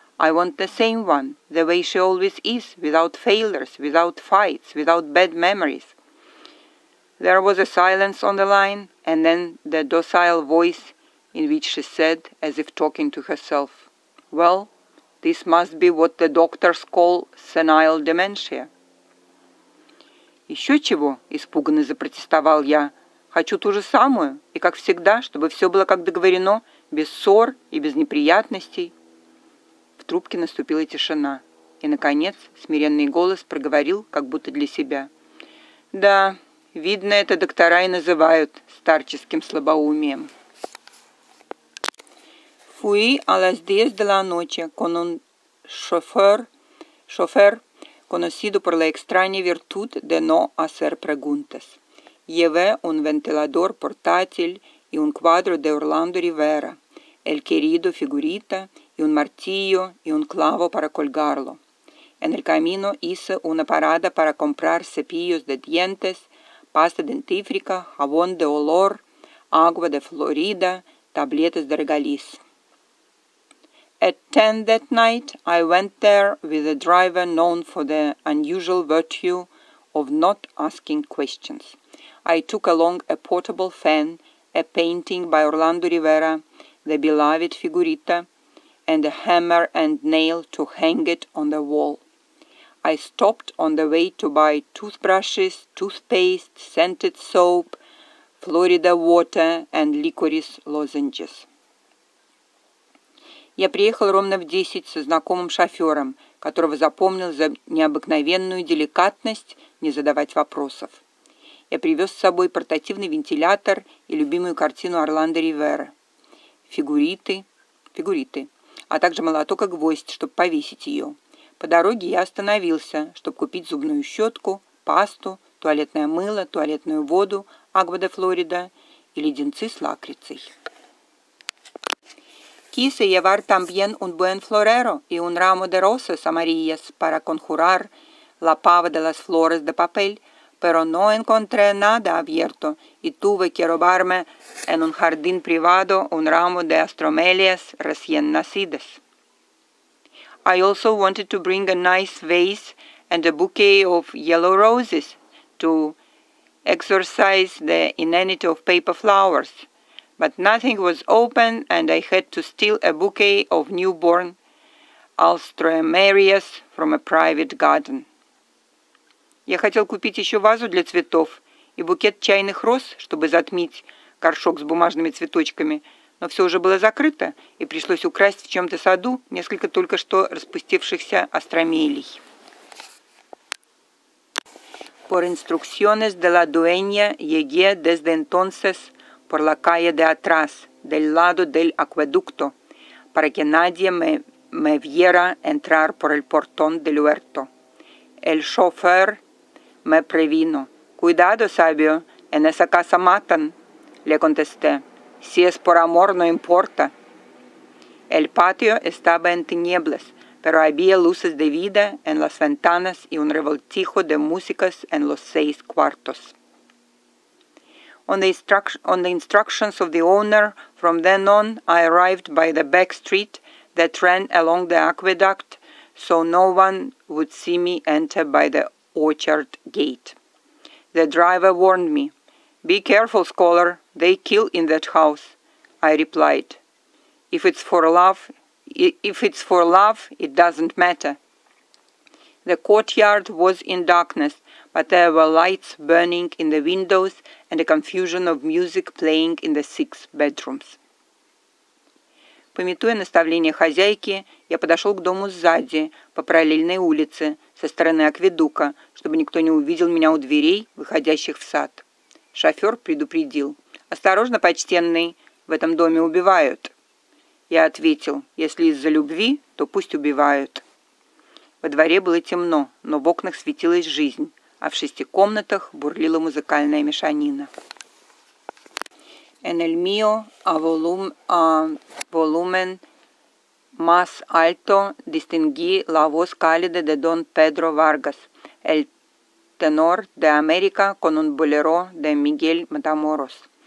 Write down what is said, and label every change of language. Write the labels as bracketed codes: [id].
[en] I want the same one, the way she always is, without failures, without fights, without bad memories. There was a silence on the line, and then the docile voice in which she said, as if talking to herself, Well, this must be what the doctors call senile dementia. [ru] Еще чего, испуганно запротестовал я, хочу ту же самую, и как всегда, чтобы все было как договорено, без ссор и без неприятностей. В трубке наступила тишина, и, наконец, смиренный голос проговорил, как будто для себя. «Да, видно, это доктора и называют старческим слабоумием». [es] Fui a las 10 de la noche con un chofer, conocido por la extraña virtud de no hacer preguntas. Llevé un ventilador portátil y un cuadro de Orlando Rivera, el querido figurita, y un martillo y un clavo para colgarlo. En el camino hice una parada para comprar cepillos de dientes, pasta dentífrica, jabón de olor, agua de Florida, tabletas de regaliz. [en] At 10 that night, I went there with a driver known for the unusual virtue of not asking questions. I took along a portable fan, a painting by Orlando Rivera, the beloved figurita, and a hammer and nail to hang it on the wall. I stopped on the way to buy toothbrushes, toothpaste, scented soap, Florida water, and licorice lozenges. [ru] Я приехал ровно в 10 со знакомым шофером, которого запомнил за необыкновенную деликатность не задавать вопросов. Я привез с собой портативный вентилятор и любимую картину Орландо Ривера. Фигуриты, а также молоток и гвоздь, чтобы повесить ее. По дороге я остановился, чтобы купить зубную щетку, пасту, туалетное мыло, туалетную воду, аква де Флорида и леденцы с лакрицей. [es] Quise llevar también un buen florero y un ramo de rosas amarillas para conjurar la pava de las flores de papel, pero no encontré nada abierto y tuve que robarme en un jardín privado un ramo de astromelias recién nacidas. [en] I also wanted to bring a nice vase and a bouquet of yellow roses to exorcise the inanity of paper flowers, but nothing was open and I had to steal a bouquet of newborn astromelias from a private garden. [ru] Я хотел купить еще вазу для цветов и букет чайных роз, чтобы затмить горшок с бумажными цветочками, но все уже было закрыто, и пришлось украсть в чем-то саду несколько только что распустившихся астромелий. [es] Por instrucciones de la dueña, llegué desde entonces por la calle de atrás, del lado del acueducto, para que nadie me viera entrar por el portón del huerto. El chofer me previno. «Cuidado, sabio, en esa casa matan», le contesté. «Si es por amor, no importa». El patio estaba en tinieblas, pero había luces de vida en las ventanas y un revoltijo de músicas en los 6 cuartos. [en] On the instructions of the owner, from then on, I arrived by the back street that ran along the aqueduct, so no one would see me enter by the orchard gate. The driver warned me, "Be careful, scholar, they kill in that house." I replied, If it's for love, it doesn't matter." The courtyard was in darkness, but there were lights burning in the windows and a confusion of music playing in the 6 bedrooms. [ru] Пометуя наставление хозяйки, я подошел к дому сзади, по параллельной улице, со стороны акведука, чтобы никто не увидел меня у дверей, выходящих в сад. Шофер предупредил: «Осторожно, почтенный, в этом доме убивают». Я ответил: «Если из-за любви, то пусть убивают». Во дворе было темно, но в окнах светилась жизнь, а в 6 комнатах бурлила музыкальная мешанина. [es] En el mío, a volumen más alto, distinguí la voz cálida de Don Pedro Vargas, el tenor de América con un bolero de Miguel Matamoros.